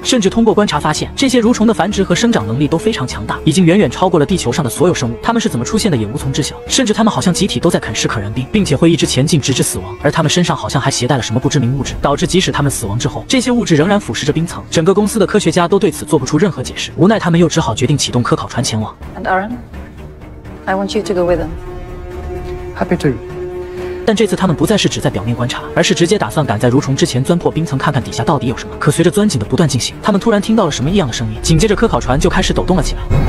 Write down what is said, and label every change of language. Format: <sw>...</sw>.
<zh>甚至通过观察发现，这些蠕虫的繁殖和生长能力都非常强大，已经远远超过了地球上的所有生物。他们是怎么出现的也无从知晓，甚至他们好像集体都在啃食可燃冰，并且会一直前进直至死亡。而他们身上好像像还携带了什么不知名物质，导致即使他们死亡之后，这些物质仍然腐蚀着冰层。整个公司的科学家都对此做不出任何解释，无奈他们又只好决定启动科考船前往。</zh> <en>And Aaron, I want you to go with them. Happy to.</en> <zh>但这次他们不再是只在表面观察，而是直接打算赶在蠕虫之前钻破冰层，看看底下到底有什么。可随着钻井的不断进行，他们突然听到了什么异样的声音，紧接着科考船就开始抖动了起来。</zh>